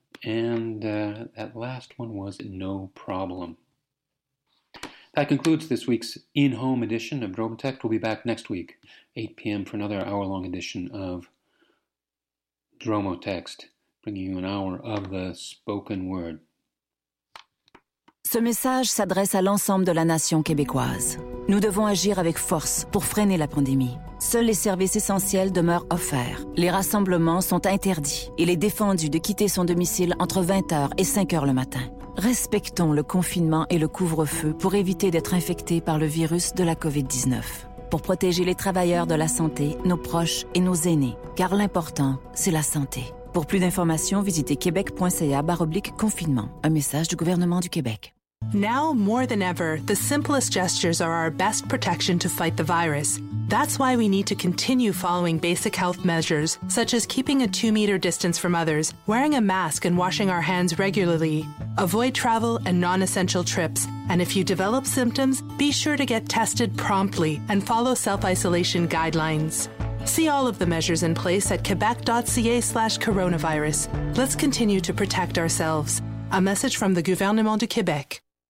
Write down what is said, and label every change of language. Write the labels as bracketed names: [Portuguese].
[English] And that last one was No Problem. That concludes this week's in-home edition of Droma Text. We'll be back next week, 8 p.m., for another hour-long edition of Droma Text, bringing you an hour of the spoken word. [French] Ce message s'adresse à l'ensemble de la nation québécoise. Nous devons agir avec force pour freiner la pandémie. Seuls les services essentiels demeurent offerts. Les rassemblements sont interdits. Il est défendu de quitter son domicile entre 20h et 5h le matin. Respectons le confinement et le couvre-feu pour éviter d'être infectés par le virus de la COVID-19. Pour protéger les travailleurs de la santé, nos proches et nos aînés. Car l'important, c'est la santé. Pour plus d'informations, visitez québec.ca/confinement. Un message du gouvernement du Québec. [English] Now more than ever, the simplest gestures are our best protection to fight the virus. That's why we need to continue following basic health measures, such as keeping a 2-meter distance from others, wearing a mask and washing our hands regularly. Avoid travel and non-essential trips. And if you develop symptoms, be sure to get tested promptly and follow self-isolation guidelines. See all of the measures in place at quebec.ca/coronavirus. Let's continue to protect ourselves. A message from the gouvernement du Québec.